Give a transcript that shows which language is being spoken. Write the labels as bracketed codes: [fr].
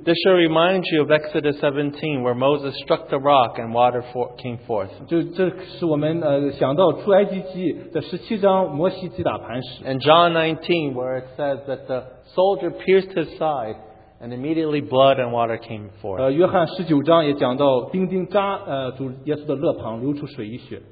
[en] This should remind you of Exodus 17, where Moses struck the rock and water came forth. [zh] 这是我们想到出埃及记的17章，摩西击打磐石。 [en] And John 19, where it says that the soldier pierced his side, and immediately blood and water came forth. [zh] 约翰19章也讲到钉钉扎主耶稣的肋旁，流出水一血。